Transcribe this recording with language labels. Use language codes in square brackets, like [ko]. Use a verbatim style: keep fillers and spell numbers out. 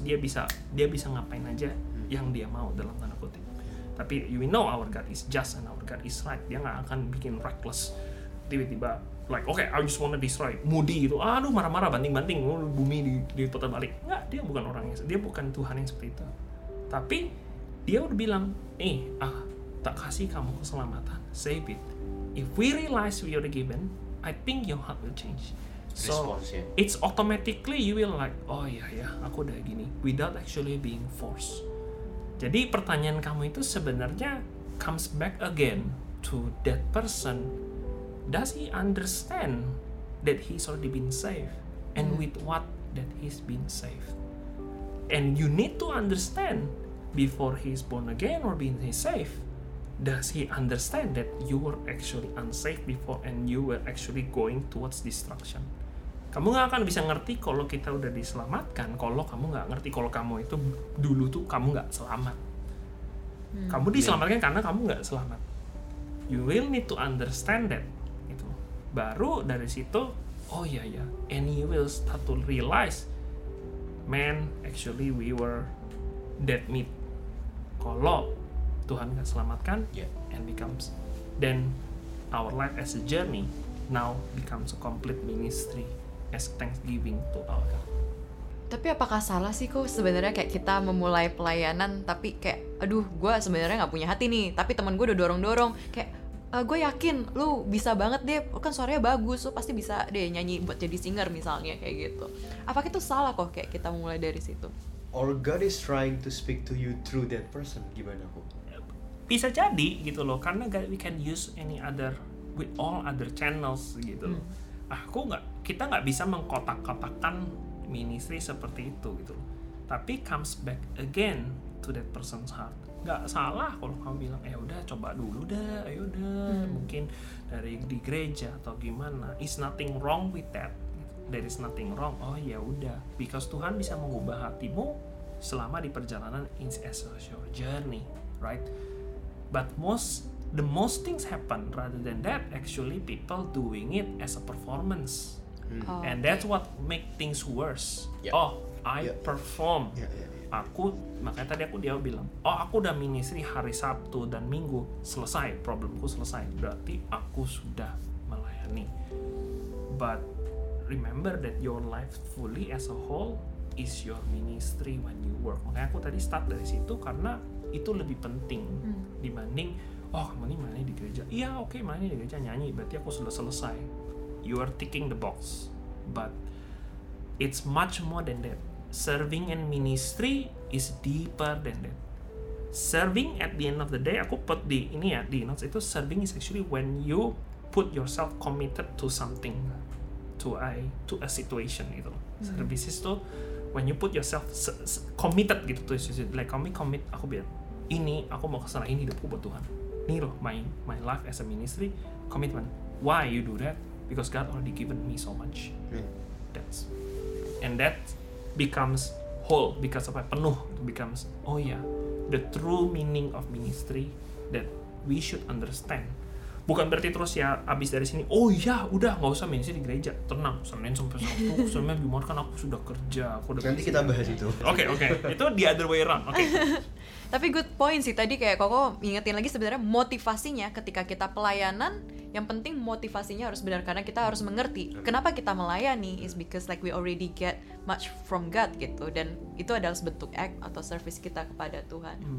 [id] Dia bisa, dia bisa ngapain aja yang dia mau dalam tanda kutip. [en] Tapi we know our God is just and our God is right. [id] Dia nggak akan bikin reckless tiba-tiba [en] like oke okay, I just wanna destroy Moody [id] gitu, aduh marah-marah banting-banting bumi di, di putar balik, enggak, dia bukan orangnya, dia bukan Tuhan yang seperti itu, tapi dia udah bilang eh ah tak kasih kamu keselamatan, [en] save it, if we realize we are given I think your heart will change, so response, yeah. It's automatically you will like [id] oh ya ya aku udah gini [en] without actually being forced. [id] Jadi pertanyaan kamu itu sebenarnya [en] comes back again to that person. Does he understand that he's already been saved and with what that he's been saved? And you need to understand before he's born again or being saved, does he understand that you were actually unsafe before and you were actually going towards destruction? [id] Kamu nggak akan bisa ngerti kalau kita udah diselamatkan kalau kamu nggak ngerti kalau kamu itu dulu tuh kamu nggak selamat. Hmm. Kamu diselamatkan karena kamu nggak selamat. [en] You will need to understand that. [id] Baru dari situ, oh ya ya, [en] and you will start to realize, man, actually we were dead meat. [id] Kalau Tuhan nggak selamatkan, [en] yeah. and becomes, then our life as a journey now becomes a complete ministry as thanksgiving to our God. [id] Tapi apakah salah sih kok sebenarnya kayak kita memulai pelayanan tapi kayak, aduh, gue sebenarnya nggak punya hati nih, tapi teman gue udah dorong-dorong, kayak Uh, gue yakin lu bisa banget deh, lu kan suaranya bagus, lu pasti bisa deh nyanyi buat jadi singer misalnya kayak gitu. Apakah itu salah kok kayak kita mulai dari situ? [en] Or God is trying to speak to you through that person, [id] gimana kok? Bisa jadi gitu loh, karena [en] we can use any other with all other channels [id] gitu loh. [en] Hmm. [id] Aku nggak, kita nggak bisa mengkotak-kotakan ministry seperti itu gitu loh. [en] Tapi comes back again to that person's heart. [id] Nggak salah kalau kamu bilang eh udah coba dulu dah, ayo dah hmm. mungkin dari di gereja atau gimana, [en] is nothing wrong with that, there is nothing wrong, [id] oh ya udah, [en] because [id] Tuhan bisa mengubah hatimu selama di perjalanan [en] in as your journey, right? But most the most things happen rather than that actually people doing it as a performance. Hmm. Oh, and that's what make things worse. [id] Yep. Oh, I yep. perform. Yep, yep, yep. Aku makanya tadi aku dia bilang, oh aku udah ministry hari Sabtu dan Minggu, selesai problemku selesai. Berarti aku sudah melayani. [en] But remember that your life fully as a whole is your ministry when you work. [id] Makanya aku tadi start dari situ karena itu lebih penting hmm. dibanding oh kamu ini main di gereja. Iya oke okay, main di gereja nyanyi. Berarti aku sudah selesai. [en] You are ticking the box, but it's much more than that. Serving and ministry is deeper than that. Serving at the end of the day, [id] aku put di ini ya di notes itu [en] serving is actually when you put yourself committed to something, to a to a situation itu. Mm-hmm. Service is to when you put yourself committed [id] gitu tuh, like kami commit aku bilang ini aku mau kesana ini hidupku buat Tuhan. Ini loh [en] my my life as a ministry commitment. Why you do that? Because God already given me so much. Hmm. That's and that becomes whole because [id] apa penuh [en] becomes oh yeah the true meaning of ministry that we should understand. [id] Bukan berarti terus ya abis dari sini oh iya udah nggak usah ministry di gereja tenang Senin sampai Sabtu Senin Jumat kan aku sudah kerja aku udah nanti kita bahas itu. [en] Oke oke itu the other way around. Oke. [id] Tapi good point sih tadi kayak Koko ingetin lagi sebenarnya motivasinya ketika kita pelayanan yang penting motivasinya harus benar karena kita harus mengerti kenapa kita melayani [en] is because like we already get much from God [id] gitu dan itu adalah bentuk act atau service kita kepada Tuhan. Hmm.